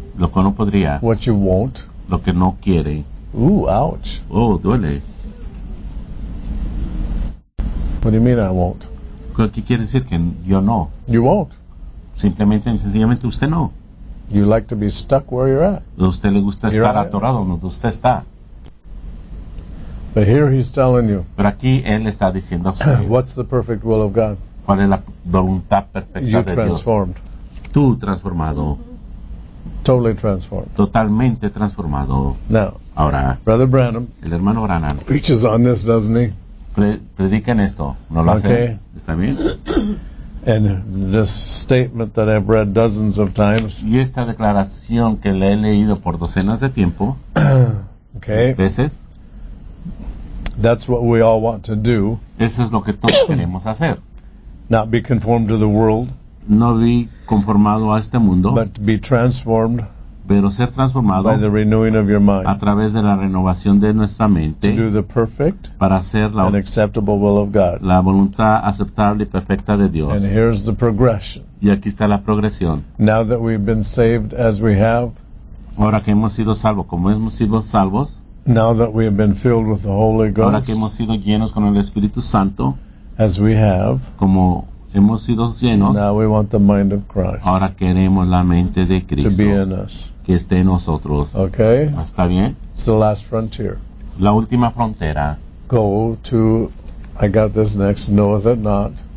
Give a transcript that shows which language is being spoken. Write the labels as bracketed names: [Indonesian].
[Spanish] Lo que no podría. [English] What you won't. [Spanish] Lo que no quiere. [English] Ooh, ouch. [Spanish] Oh, duele. [English] What do you mean I won't? [Spanish] ¿Qué quiere decir que yo no? [English] You won't. [Spanish] Simplemente, sencillamente, usted no. [English] You like to be stuck where you're at. [Spanish] A usted le gusta estar atorado donde usted está. [English] But here he's telling you. [Spanish] Pero aquí él está diciendo. [English] What's the perfect will of God? [Spanish] ¿Cuál es la voluntad perfecta de Dios? [English] You transformed. [Spanish] Tú transformado. [English] Totally transformed. [Spanish] Totalmente transformado. [English] Now, [Spanish] ahora, [English] Brother Branham, [Spanish] el hermano Branham [English] preaches on this, doesn't he? [Spanish] Predica en esto. ¿No lo [English] okay. [Spanish] hace? ¿Está bien? [English] And this statement that I've read dozens of times. [Spanish] Y esta declaración que le he leído por docenas de tiempo. [English] Okay. [Spanish] Veces. [English] That's what we all want to do. [Spanish] Eso es lo que todos queremos hacer. [English] Not be conformed to the world. [Spanish] No vi conformado a este mundo, [English] but be transformed, [Spanish] pero ser transformado [English] by the renewing of your mind, [Spanish] a través de la renovación de nuestra mente, [English] to do the perfect [Spanish] para hacer [English] and acceptable will of God, [Spanish] la voluntad aceptable y perfecta de Dios. [English] And here's the progression. [Spanish] Y aquí está la progresión. [English] Now that we've been saved as we have, [Spanish] ahora que hemos sido salvos, como hemos sido salvos, [English] now that we have been filled with the Holy Ghost, [Spanish] ahora que hemos sido llenos con el Espíritu Santo, [English] as we have, [Spanish] como hemos sido llenos. [English] Now we want the mind of Christ. [Spanish] Ahora queremos la mente de Cristo. [English] To be in us. [Spanish] Que esté en nosotros. [English] Okay. [Spanish] ¿Está bien? [English] It's the last frontier. [Spanish] La última frontera. [English] Go to, I got this next, knoweth it not.